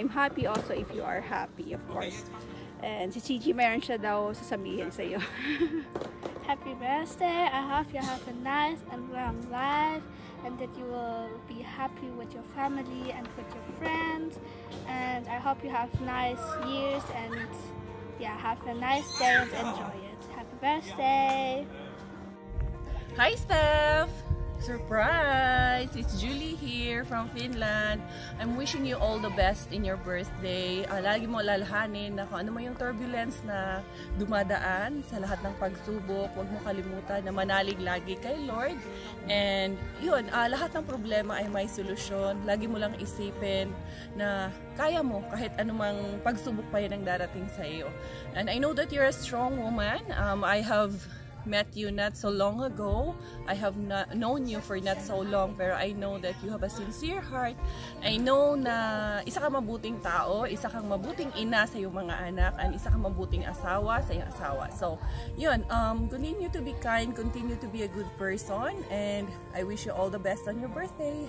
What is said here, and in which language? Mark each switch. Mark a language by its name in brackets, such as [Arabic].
[English] I'm happy also if you are happy, of course. [Filipino] And si Gigi, mayroon siya daw sasabihin sa'yo. [English] Happy birthday! I hope you have a nice and long life, and that you will be happy with your family and with your friends. And I hope you have nice years, and yeah, have a nice day and enjoy it. Happy birthday! Hi, Steph! Surprise! It's Julie here from Finland. I'm wishing you all the best in your birthday. [Filipino] Lagi mo lalahanin na kung ano mo yung turbulence na dumadaan sa lahat ng pagsubok. Huwag mo kalimutan na manalig lagi kay Lord. And yun, lahat ng problema ay may solusyon. Lagi mo lang isipin na kaya mo kahit anumang pagsubok pa yan ang darating sa iyo. [English] And I know that you're a strong woman. I have met you not so long ago. I have not known you for not so long, [Filipino] pero [English] I know that you have a sincere heart. I know [Filipino] na isa kang mabuting tao, isa kang mabuting ina sa iyong mga anak, and isa kang mabuting asawa sa iyong asawa. [English] So, yun, continue to be kind, continue to be a good person, and I wish you all the best on your birthday.